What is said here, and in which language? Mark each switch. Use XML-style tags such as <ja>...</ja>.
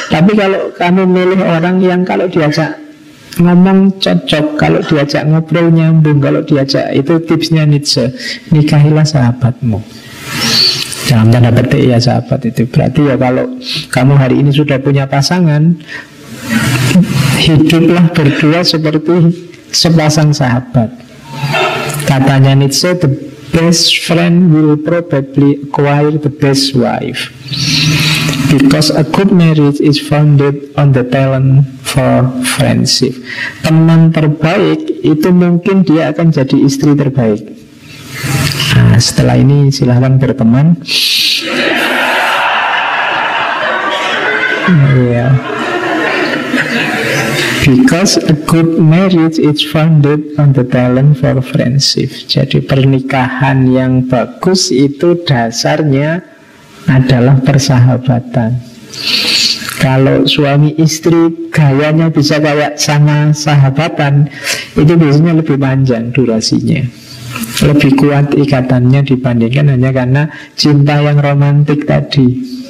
<id>Tapi kalau kamu milih orang yang kalau diajak ngomong cocok, kalau diajak ngobrol nyambung, kalau diajak, itu tipsnya Nietzsche, nikahilah sahabatmu. Dalam tanda petik ya, sahabat itu berarti ya kalau kamu hari ini sudah punya pasangan, hiduplah berdua seperti sepasang sahabat. Katanya</id> <en>Nietzsche, the best friend will probably acquire the best wife, because a good marriage is founded on the talent for friendship.</en> <id>Teman terbaik itu mungkin dia akan jadi istri terbaik. Nah, setelah ini silahkan berteman.</id> <en>Yeah. Because a good marriage is founded on the talent for friendship.</en> <id>Jadi pernikahan yang bagus itu dasarnya adalah persahabatan. Kalau suami istri gayanya bisa kayak sama sahabatan, itu biasanya lebih panjang durasinya, lebih kuat ikatannya dibandingkan hanya karena cinta yang romantik tadi.</id>